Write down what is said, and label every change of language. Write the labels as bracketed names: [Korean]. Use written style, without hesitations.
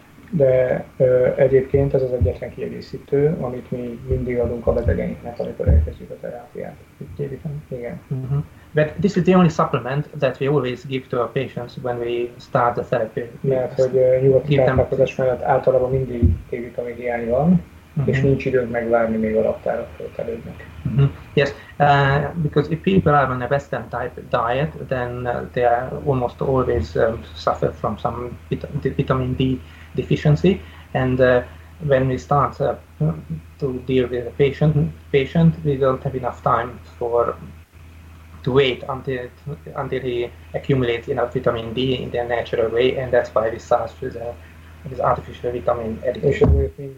[Hungarian] De egyébként ez az egyetlen kiegészítő, amit mi mindig adunk a betegeinknek, amikor elkezdjük a terápiát. Igen. Mm-hmm. [English] But this is the only supplement that we always give to our patients when we start the therapy. [Hungarian] Mert hogy nyugati táplálkozás mellett általában mindig D-vitamin hiány van, és nincs időnk megvárni, még a raktárak feltelődnek. [English] Yes, because if people are on a Western type diet, then they are almost always suffer from some vitamin D deficiency, and when we start to deal with a patient, we don't have enough time to wait until he accumulates enough vitamin D in their natural way, and that's why we start with artificial vitamin addition.